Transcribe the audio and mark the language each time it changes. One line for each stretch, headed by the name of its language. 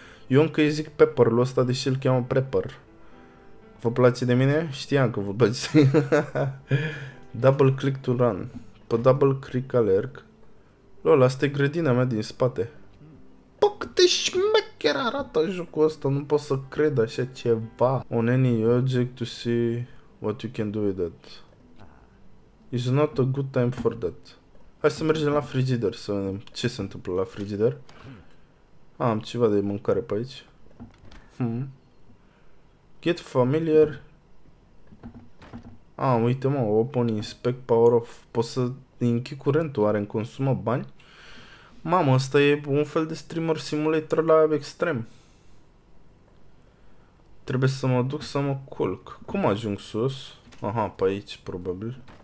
Romanian: Eu încă îi zic paperul ăsta, deși îl cheamă prepper. Vă place de mine? Știam că vă place.
English: Double click to run.
Romanian: Pe double click alerg. Lola, asta e grădina mea din spate. Pă, cât de șmecher arată jocul ăsta, nu pot să cred așa ceva.
English: On any object to see what you can do with that. It's not a good time for that.
Romanian: Hai să mergem la frigider să vedem ce se întâmplă la frigider. Ah, am ceva de mâncare pe aici.
English: Get familiar.
Romanian: Ah, uite mă,
English: open inspect power off.
Romanian: Poți să închid curentul, oare îmi consumă bani? Mamă, ăsta e un fel de streamer simulator la extrem. Trebuie să mă duc să mă culc. Cum ajung sus? Aha, pe aici, probabil.